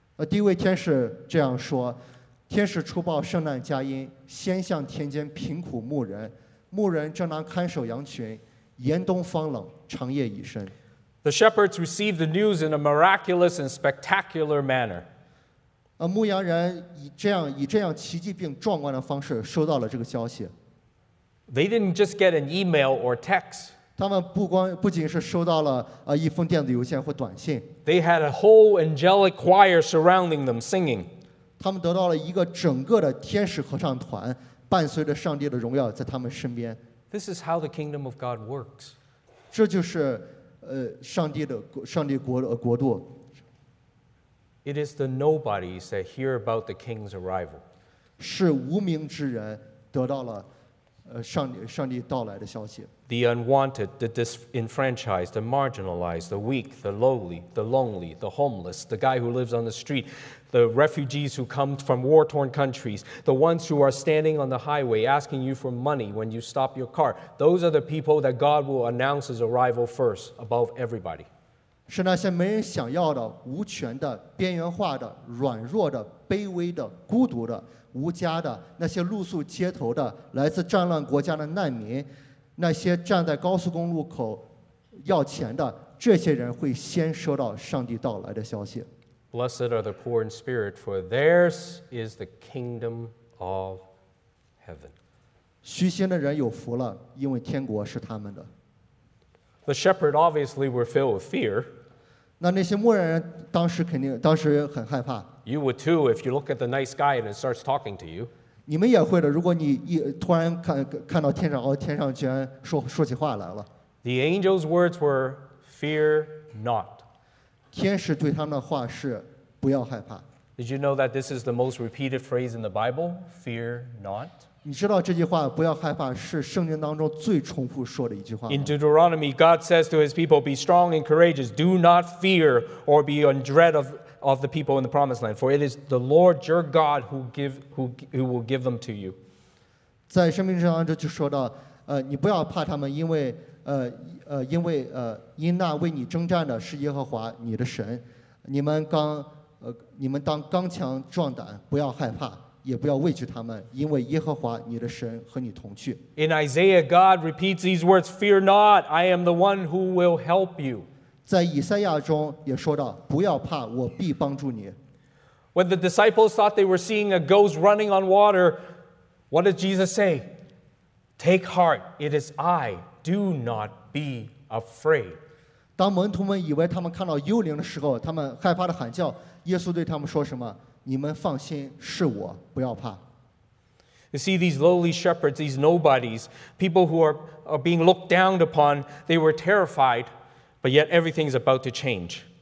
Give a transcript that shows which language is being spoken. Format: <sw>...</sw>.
<zh>第一位天使这样说，天使出报圣诞佳音，先向田间贫苦牧人，牧人正当看守羊群，严冬方冷，长夜已深。</zh> <en>The shepherds received the news in a miraculous and spectacular manner.</en> <zh>牧羊人以这样奇迹并壮观的方式收到了这个消息。</zh> <en>They didn't just get an email or text.</en> <zh>他们不仅是收到了一封电子邮件或短信。</zh> <en>They had a whole angelic choir surrounding them singing.</en> <zh>他们得到了一个整个的天使合唱团，伴随着上帝的荣耀在他们身边。</zh> <en>This is how the kingdom of God works.</en> <zh>这就是上帝国度。</zh> <en>It is the nobodies that hear about the king's arrival.</en> <zh>是无名之人得到了上帝到来的消息。</zh> <en>The unwanted, the disenfranchised, the marginalized, the weak, the lowly, the lonely, the homeless, the guy who lives on the street, the refugees who come from war-torn countries, the ones who are standing on the highway asking you for money when you stop your car. Those are the people that God will announce his arrival first above everybody.</en> <zh>是那些没人想要的、无权的、边缘化的、软弱的、卑微的、孤独的、无家的，那些露宿街头的、来自战乱国家的难民，那些站在高速公路口要钱的，这些人会先收到上帝到来的消息。</zh> <en>Blessed are the poor in spirit, for theirs is the kingdom of heaven.</en> <zh>虚心的人有福了，因为天国是他们的。</zh> <en>The shepherds obviously were filled with fear.</en> <zh>那些牧人当时很害怕。</zh> <en>You would too if you look at the night sky and it starts talking to you.</en> <zh>你们也会的，如果你突然看到天上，天上居然说起话来了。</zh> <en>The angel's words were, "Fear not."</en> <zh>天使对他们的话是不要害怕。</zh> <en>Did you know that this is the most repeated phrase in the Bible? Fear not.</en> <zh>你知道这句话不要害怕是圣经当中最重复说的一句话。</zh> <en>In Deuteronomy, God says to his people, be strong and courageous. Do not fear or be in dread of the people in the promised land. For it is the Lord your God who will give them to you.</en> <zh>在生命之上就说到，你不要怕他们，因为因为因那为你征战的是耶和华你的神，你们当刚强壮胆，不要害怕，也不要畏惧他们，因为耶和华你的神和你同去。</zh> <en>In Isaiah, God repeats these words: "Fear not, I am the one who will help you."</en> <zh>在以赛亚中也说到，不要怕，我必帮助你。</zh> <en>When the disciples thought they were seeing a ghost running on water, what did Jesus say? "Take heart, it is I. Do not be afraid."</en> <zh>当门徒们以为他们看到幽灵的时候，他们害怕的喊叫。耶稣对他们说什么？你们放心，是我，不要怕。</zh> <en>You see, these lowly shepherds, these nobodies, people who are being looked down upon, they were terrified, but yet everything is about to change.</en>